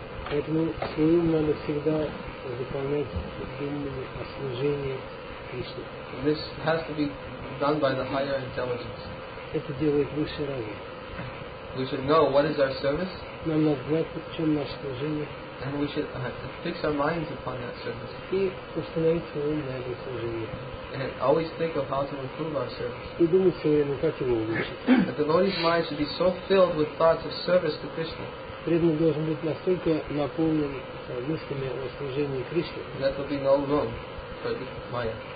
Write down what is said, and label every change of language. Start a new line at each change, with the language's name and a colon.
Russian: Поэтому все им надо всегда выполнять думные о служении Кришне.
English: This has to be done by the higher intelligence.
Russian: Это делает высший разум.
English: We should know what is our service.
Russian: Нам надо знать, в чем наше служение.
English: And we should fix our minds upon that service.
Russian: И установить свое ум на этом служении.
English: And always think of how to improve our service.
Russian: И думать все время, как его улучшить.
English: A devotee's mind should be so filled with thoughts of service to Krishna.
Russian: Преданный должен быть настолько наполнен мыслями о служении Кришне,
English: that will be no wrong for the Maya.